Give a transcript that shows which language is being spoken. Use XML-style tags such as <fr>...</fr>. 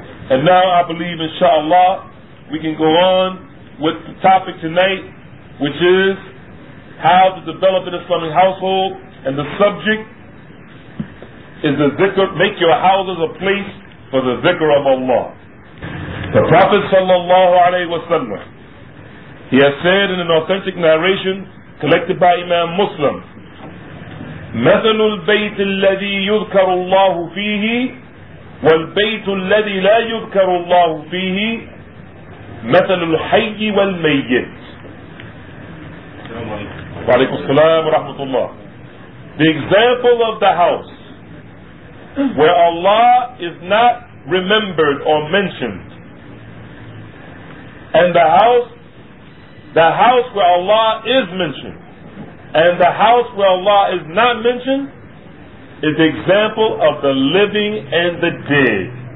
<en>And now I believe, inshallah, we can go on with the topic tonight, which is how to develop an Islamic household, and the subject is the dhikr, make your houses a place for the dhikr of Allah. The Prophet sallallahu alayhi wa sallam He has said in an authentic narration collected by Imam Muslim,</en> <ar>مثل البيت الذي يذكر الله فيه والبيت الذي لا يذكر الله فيه مثل الحي والميت. وعليكم السلام ورحمة الله.</ar> <en>The example of the house where Allah is not remembered or mentioned, and the house where Allah is mentioned, and the house where Allah is not mentioned, is the example of the living and the dead.</en>